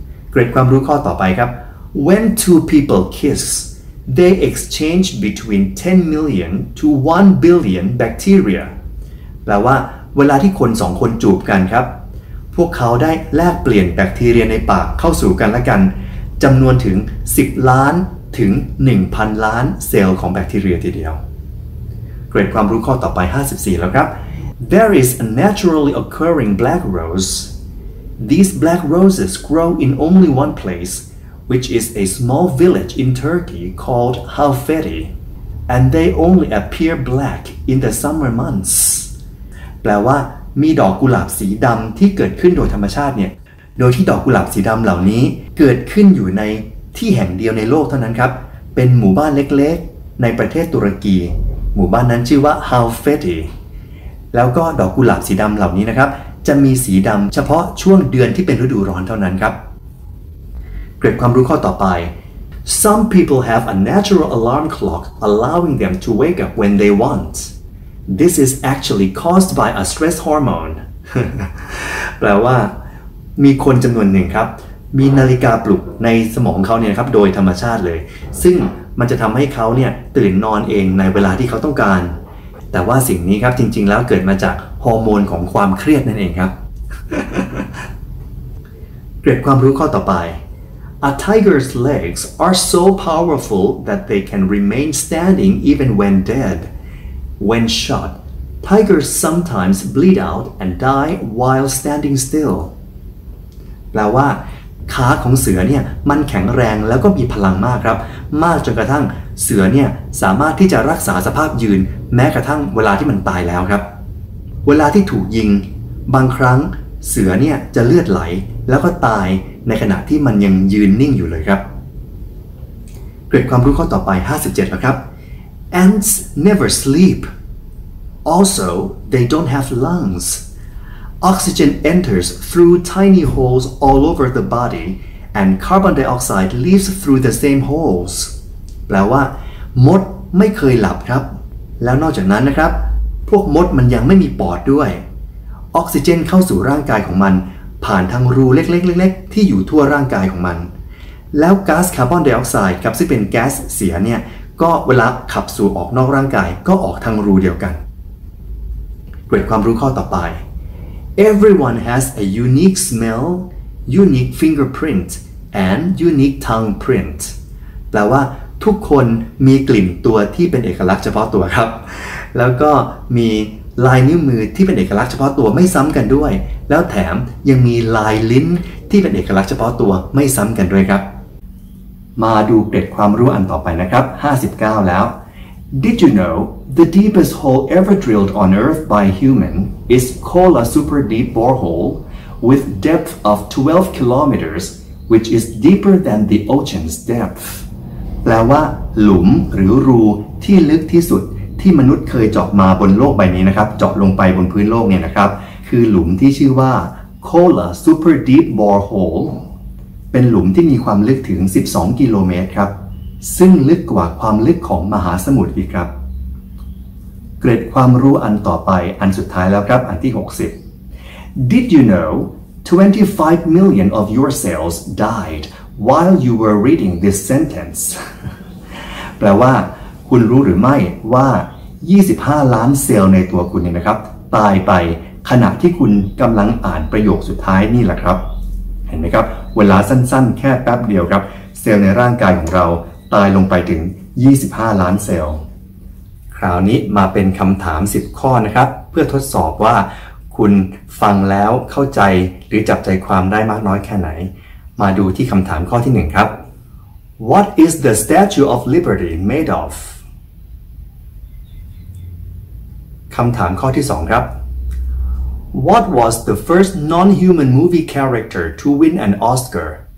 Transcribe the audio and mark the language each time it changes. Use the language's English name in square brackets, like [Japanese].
[Thai] เกร็ดความรู้ข้อต่อไปครับ [English] When two people kissthey exchange between 10 million to 1 billion bacteria [Thai] แปลว่าเวลาที่คน2คนจูบกันครับพวกเขาได้แลกเปลี่ยนแบคทีเรียในปากเข้าสู่กันและกันจำนวนถึง10ล้านถึง 1,000 ล้านเซลล์ของแบคทีเรียทีเดียวเกร็ดความรู้ข้อต่อไป54แล้วครับ [English] There is a naturally occurring black rose These black roses grow in only one place, which is a small village in Turkey called Halfeti, and they only appear black in the summer months. [Thai] แปลว่ามีดอกกุหลาบสีดำที่เกิดขึ้นโดยธรรมชาติเนี่ยโดยที่ดอกกุหลาบสีดำเหล่านี้เกิดขึ้นอยู่ในที่แห่งเดียวในโลกเท่านั้นครับเป็นหมู่บ้านเล็กๆในประเทศตุรกีหมู่บ้านนั้นชื่อว่า Halfeti แล้วก็ดอกกุหลาบสีดำเหล่านี้นะครับจะมีสีดำเฉพาะช่วงเดือนที่เป็นฤดูร้อนเท่านั้นครับเกร็ดความรู้ข้อต่อไป [English] Some people have a natural alarm clock allowing them to wake up when they want. This is actually caused by a stress hormone. [Thai] แปลว่ามีคนจำนวนหนึ่งครับมีนาฬิกาปลุกในสมองเขาเนี่ยครับโดยธรรมชาติเลยซึ่งมันจะทำให้เขาเนี่ยตื่นนอนเองในเวลาที่เขาต้องการแต่ว่าสิ่งนี้ครับจริงๆแล้วเกิดมาจากฮอร์โมนของความเครียดนั่นเองครับเกร็ดความรู้ข้อต่อไป [English] A tiger's legs are so powerful that they can remain standing even when dead. When shot, tigers sometimes bleed out and die while standing still. [Thai] แปลว่าขาของเสือเนี่ยมันแข็งแรงแล้วก็มีพลังมากครับมากจนกระทั่งเสือเนี่ยสามารถที่จะรักษาสภาพยืนแม้กระทั่งเวลาที่มันตายแล้วครับเวลาที่ถูกยิงบางครั้งเสือเนี่ยจะเลือดไหลแล้วก็ตายในขณะที่มันยังยืนนิ่งอยู่เลยครับเกร็ดความรู้ข้อต่อไป57แล้วครับ [English] Ants never sleep. Also, they don't have lungs. Oxygen enters through tiny holes all over the body and carbon dioxide leaves through the same holes. [Thai] แปลว่ามดไม่เคยหลับครับแล้วนอกจากนั้นนะครับพวกมดมันยังไม่มีปอดด้วยออกซิเจนเข้าสู่ร่างกายของมันผ่านทางรูเล็กๆๆที่อยู่ทั่วร่างกายของมันแล้วก๊าซคาร์บอนไดออกไซด์ครับซึ่งเป็นแก๊สเสียเนี่ยก็เวลาขับสู่ออกนอกร่างกายก็ออกทางรูเดียวกันเกิดความรู้ข้อต่อไป [English] Everyone has a unique smell, unique fingerprint and unique tongue print [Thai] แปลว่าทุกคนมีกลิ่นตัวที่เป็นเอกลักษณ์เฉพาะตัวครับแล้วก็มีลายนิ้วมือที่เป็นเอกลักษณ์เฉพาะตัวไม่ซ้ำกันด้วยแล้วแถมยังมีลายลิ้นที่เป็นเอกลักษณ์เฉพาะตัวไม่ซ้ำกันด้วยครับ มาดูเกร็ดความรู้อันต่อไปนะครับ59แล้ว [English] Did you know the deepest hole ever drilled on earth by human is called a super deep borehole with depth of 12 kilometers which is deeper than the ocean's depth [Thai] แปลว่าหลุมหรือรูที่ลึกที่สุดที่มนุษย์เคยเจาะมาบนโลกใบนี้นะครับเจาะลงไปบนพื้นโลกเนี่ยนะครับคือหลุมที่ชื่อว่า Kola Super Deep Borehole เป็นหลุมที่มีความลึกถึง12กิโลเมตรครับซึ่งลึกกว่าความลึกของมหาสมุทรอีกครับเกร็ดความรู้อันต่อไปอันสุดท้ายแล้วครับอันที่60 [English] Did you know 25 million of your cells diedWhile you were reading this sentence [Thai] แปลว่าคุณรู้หรือไม่ว่า25ล้านเซลล์ในตัวคุณเนี่ยนะครับตายไปขณะที่คุณกำลังอ่านประโยคสุดท้ายนี่แหละครับเห็นไหมครับเวลาสั้นๆแค่แป๊บเดียวครับเซลล์ในร่างกายของเราตายลงไปถึง25ล้านเซลล์คราวนี้มาเป็นคำถาม10ข้อนะครับเพื่อทดสอบว่าคุณฟังแล้วเข้าใจหรือจับใจความได้มากน้อยแค่ไหนมาดูที่คำถามข้อที่1ครับ [English] What is the Statue of Liberty made of? [Thai] คำถามข้อที่2ครับ [English] What was the first non-human movie character to win an Oscar?